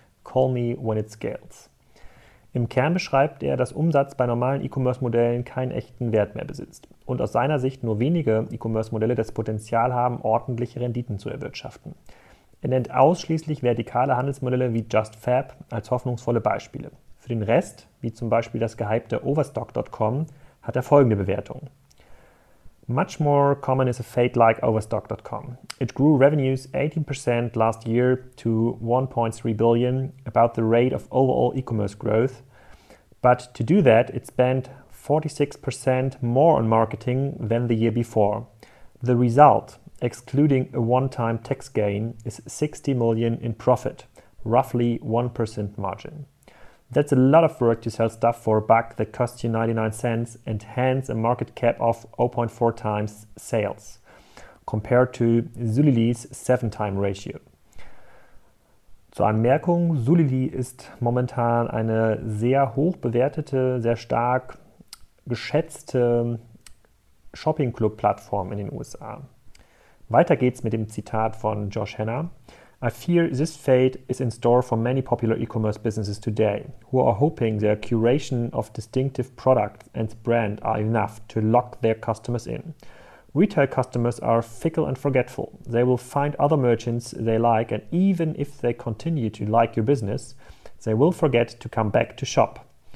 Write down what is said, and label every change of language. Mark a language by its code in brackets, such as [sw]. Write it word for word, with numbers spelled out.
[en] Call me when it scales." [de] Im Kern beschreibt er, dass Umsatz bei normalen E-Commerce-Modellen keinen echten Wert mehr besitzt und aus seiner Sicht nur wenige E-Commerce-Modelle das Potenzial haben, ordentliche Renditen zu erwirtschaften. Er nennt ausschließlich vertikale Handelsmodelle wie JustFab als hoffnungsvolle Beispiele. Für den Rest, wie zum Beispiel das gehypte Overstock Punkt com, hat er folgende Bewertung. [en] "Much more common is a fate like Overstock Punkt com. It grew revenues eighteen percent last year to one point three billion, about the rate of overall e-commerce growth. But to do that, it spent forty-six percent more on marketing than the year before. The result, excluding a one-time tax gain, is sixty million in profit, roughly one percent margin. That's a lot of work to sell stuff for a buck that costs you ninety-nine cents and hence a market cap of zero point four times sales, compared to Zulili's seven time ratio." [de] Zur Anmerkung: Zulily ist momentan eine sehr hoch bewertete, sehr stark geschätzte Shopping-Club-Plattform in den U S A. Weiter geht's mit dem Zitat von Josh Hanna. [en] "I fear this fate is in store for many popular e-commerce businesses today, who are hoping their curation of distinctive products and brand are enough to lock their customers in. Retail customers are fickle and forgetful. They will find other merchants they like, and even if they continue to like your business, they will forget to come back to shop.